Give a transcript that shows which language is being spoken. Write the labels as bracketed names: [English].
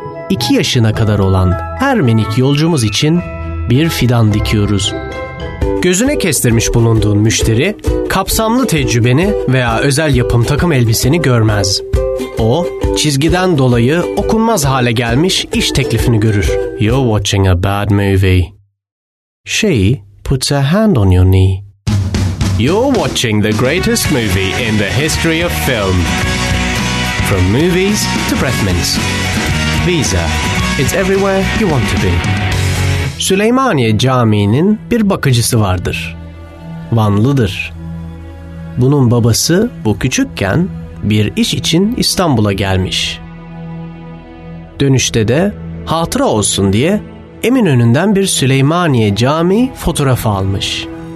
[Turkish] 2 yaşına kadar olan her minik yolcumuz için bir fidan dikiyoruz. Gözüne kestirmiş bulunduğun müşteri, kapsamlı tecrübeni veya özel yapım takım elbiseni görmez. O, çizgiden dolayı okunmaz hale gelmiş iş teklifini görür. [English] You're watching a bad movie. She puts her hand on your knee. You're watching the greatest movie in the history of film. From movies to breath mints. Visa, it's everywhere you want to be. [Turkish] Süleymaniye Camii'nin bir bakıcısı vardır. Vanlıdır. Bunun babası bu küçükken bir iş için İstanbul'a gelmiş. Dönüşte de hatıra olsun diye Eminönü'nden bir Süleymaniye Camii fotoğrafı almış.